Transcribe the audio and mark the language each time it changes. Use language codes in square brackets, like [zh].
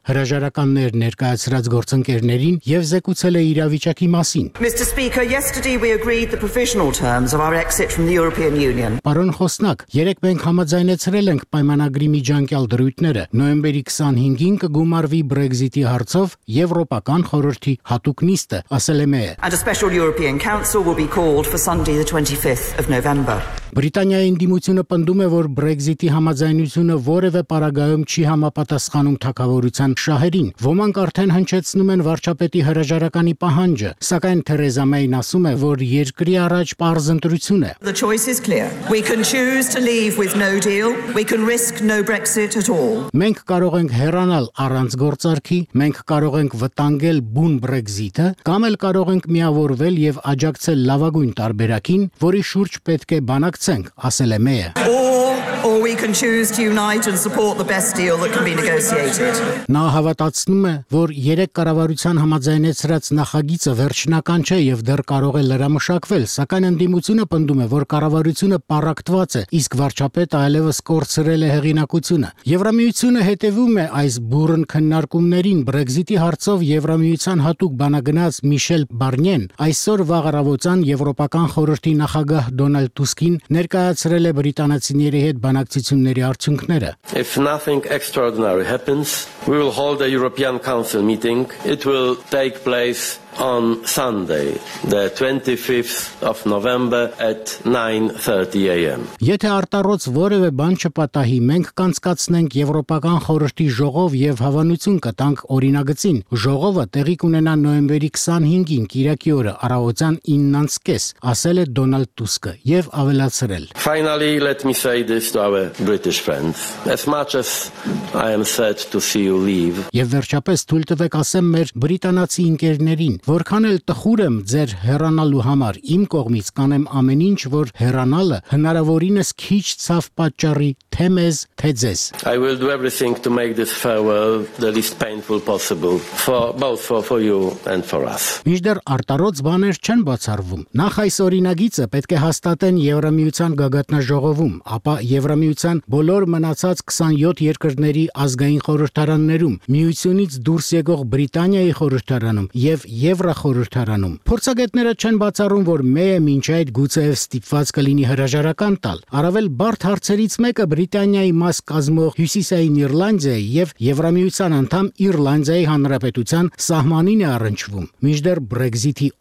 [hy] հրաժարականներ ներկայացրած գործընկերներին, և զեկուցել է իրավիճակի մասին։ Երեք մենք համաձայնեցրել ենք պայմանագրի միջանկյալ դրույթները, նոյեմբերի 25-ին կգումարվի Brexit-ի հարցով Եվրոպական խորհրդի հատուկ նիստը, ասել է Մեյը։ [en] And a special European Council will be called for Sunday the 25th of November. [hy] Բրիտանիայի ընդդիմությունը պնդում է, որ Brexit-ի համաձայնությունը որևէ պարագայում չի համապատասխանում թագավորության շահերին։ Ոմանք արդեն հնչեցնում են վարչապետի հրաժարականի պահանջը, սակայն Թերեզա Մեյն ասում է, որ երկրի առաջ պարզ ընտրություն է։ [en] The choice is clear. We can choose to leave with no deal. We can risk no Brexit at all. [hy] Մենք կարող ենք հեռանալ առանց գործարքի, մենք կարող ենք վտանգել բուն Brexit-ը, կամ էլ կարող ենք միավորվել եւ աջակցել լավագույն տարբերակին, որի շուրջ պետք է բանակցենք, ասել է Մեյը. [en] Or we can choose to unite and support the best deal that can be negotiated. [hy] Նա հավատացնում է, որ երեք կառավարության համաձայնեցրած նախագիծը վերջնական չէ եւ դեռ կարող է լրամշակվել, սակայն ընդդիմությունը պնդում է, որ կառավարությունը պարակտված է, իսկ վարչապետը այլևս կորցրել է հեղինակությունը։ Եվրամիությունը հետևում է այս բուրըն քննարկումներին Brexit-ի հարցով Եվրամիության հատուկ բանագնաց Միշել Բարնիեն այսօր վաղ առավոտյան Եվրոպական խորհրդի նախագահ Դոնալդ Տուսկին ներկայացրել է բրիտանացիների հետ բանակցությունների արդյունքները։ [en] If nothing extraordinary happens, we will hold a European Council meeting. It will take place on Sunday, the 25th of November at 9:30 a.m. [hy] Եթե արտարոց որևէ բան չպատահի, մենք կանցկացնենք Եվրոպական խորհրդի ժողով եւ հավանություն կտանք օրինագծին։ Ժողովը տեղի կունենա նոեմբերի 25-ին, կիրակի օրը, առավոտյան 9:00-ից, ասել է Դոնալդ Տուսկը եւ ավելացրել. [en] Finally, let me say this to our British friends. As much as I am sad to see you leave. [hy] Եվ վերջապես թույլ տվեք ասեմ մեր բրիտանացի ընկերներին, որքան էլ տխուր եմ ձեր հեռանալու համար, իմ կողմից կանեմ ամեն ինչ, որ հեռանալը հնարավորինս քիչ ցավ պատճառի թե մեզ, թե ձեզ. [en] I will do everything to make this farewell the least painful possible for both for you and for us. [hy] Միջդեռ արտարոց բաներ չեն բացառվում։ Նախ այս օրինագիծը պետք է հաստատեն Եվրամիության գագաթնաժողովում, ապա Եվրամիության բոլոր մնացած 27 երկրների ազգային խորհրդարաններում, միությունից դուրս եկող Բրիտանիայի խորհրդարանում եւ Եվրախորհրդարանում։ Փորձագետները չեն բացառում, որ Մեյը մինչ այդ գուցե ստիպված կլինի հրաժարական տալ։ Առավել բարդ հարցերից մեկը Բրիտանիայի մաս կազմող Հյուսիսային Իռլանդիայի եւ Եվրամիության անդամ Իռլանդիայի Հանրապետության սահմանին է առնչվում։ Մինչդեռ Brexit-ի